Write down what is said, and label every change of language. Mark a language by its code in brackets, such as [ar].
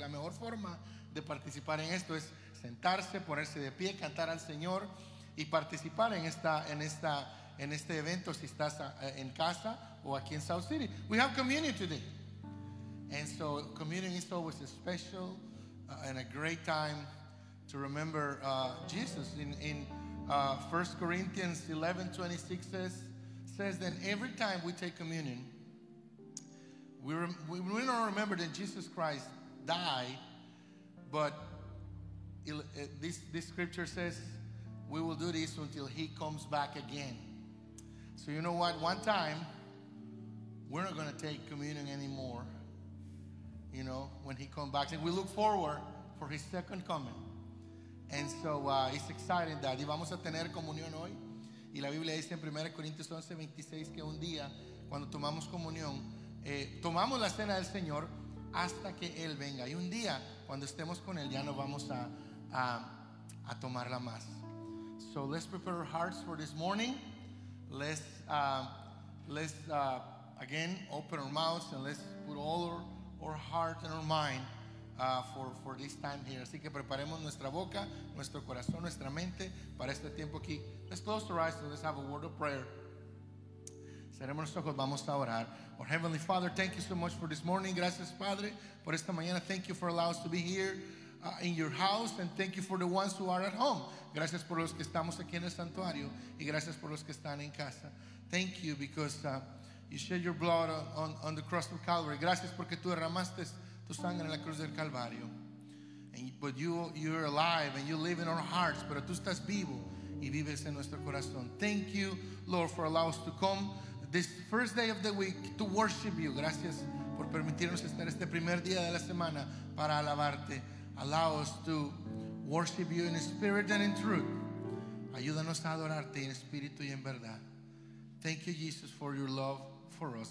[es] Y la mejor forma de participar en esto es sentarse, ponerse de pie, cantar al Señor y participar en este evento si estás en casa o aquí en South City. [en] We have communion today. And so communion is always a special and a great time to remember Jesus. In 1 Corinthians 11:26 says that every time we take communion, we don't remember that Jesus Christ died, but this scripture says we will do this until he comes back again. So you know what? One time, we're not going to take communion anymore. You know, when he comes back, and we look forward for his second coming. And so it's exciting that. [es] Y vamos a tener comunión hoy. Y la Biblia dice en 1 Corintios 11:26 que un día, cuando tomamos comunión, tomamos la cena del Señor hasta que Él venga. Y un día, cuando estemos con Él, ya no vamos a tomarla más. [en] So let's prepare our hearts for this morning. Let's again open our mouths and let's put all our heart and our mind for this time here. [es] Así que preparemos nuestra boca, nuestro corazón, nuestra mente para este tiempo aquí. [en] Let's close our eyes and let's have a word of prayer. [es] Cerremos los ojos, vamos a orar. [en] Our Heavenly Father, thank you so much for this morning. [es] Gracias, Padre, por esta mañana. [en] Thank you for allowing us to be here in your house, and thank you for the ones who are at home. [es] Gracias por los que estamos aquí en el santuario y gracias por los que están en casa. [en] Thank you because you shed your blood on the cross of Calvary. [es] Gracias porque tú derramaste tu sangre en la cruz del Calvario. [en] But you're alive and you live in our hearts, [es] pero tú estás vivo y vives en nuestro corazón. [en] Thank you, Lord, for allowing us to come this first day of the week to worship you. [es] Gracias por permitirnos estar este primer día de la semana para alabarte. [en] Allow us to worship you in spirit and in truth. [es] Ayúdanos a adorarte en espíritu y en verdad. [en] Thank you, Jesus, for your love for us.